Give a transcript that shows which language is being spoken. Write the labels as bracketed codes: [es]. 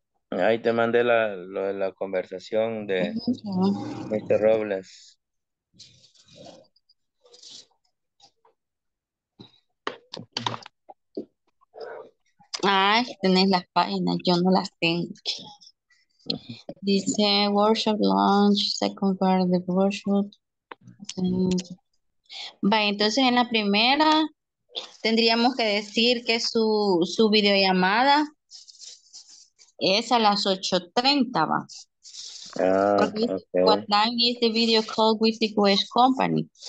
[es] Ahí te mandé la conversación de Mr. Robles. Ay, tenés las páginas, yo no las tengo. Dice [en] workshop launch, second part of the workshop. [es] Vale, entonces en la primera tendríamos que decir que su videollamada es a las 8:30, va. [en] Okay. What time is the video call with the West Company?